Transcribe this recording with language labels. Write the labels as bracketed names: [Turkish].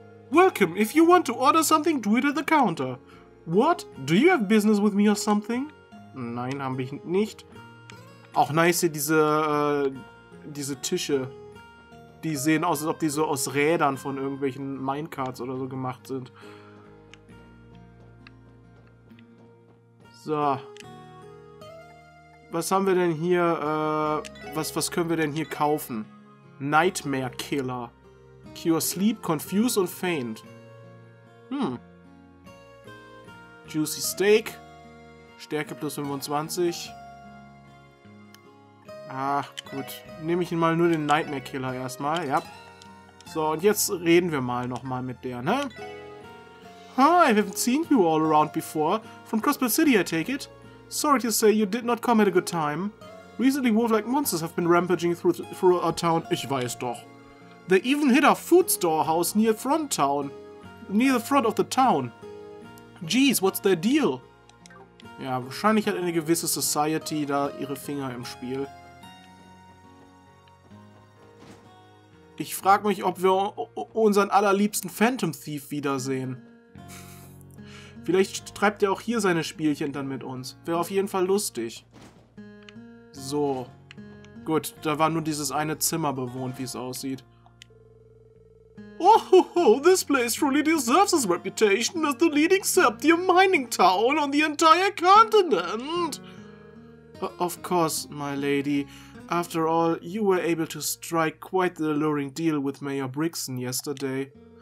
[English] Welcome, if you want to order something, do it at the counter. What? Do you have business with me or something? [German] Nein, hab ich nicht. Auch nice hier diese Tische, die sehen aus, als ob die so aus Rädern von irgendwelchen Minecarts oder so gemacht sind. So. Was haben wir denn hier, was können wir denn hier kaufen? Nightmare Killer. Cure Sleep, Confuse und Faint. Juicy Steak. Stärke plus 25. Ach, gut. Nehme ich mal nur den Nightmare Killer erstmal, ja. So, und jetzt reden wir mal nochmal mit der, ne? [English] Hi, I haven't seen you all around before. From Crossbow City, I take it. Sorry to say, you did not come at a good time. Recently, wolf-like monsters have been rampaging through our town. [German] Ich weiß doch. [English] They even hit our food storehouse near the front of the town. Jeez, what's their deal? [German] Ja, wahrscheinlich hat eine gewisse Society da ihre Finger im Spiel. Ich frage mich, ob wir unseren allerliebsten Phantom Thief wiedersehen. Vielleicht treibt er auch hier seine Spielchen dann mit uns. Wäre auf jeden Fall lustig. So. Gut, da war nur dieses eine Zimmer bewohnt, wie es aussieht. [English] Ohoho, this place truly deserves its reputation as the leading Septium mining town on the entire continent. Of course, my lady. After all, you were able to strike quite the alluring deal with Mayor Brixen yesterday.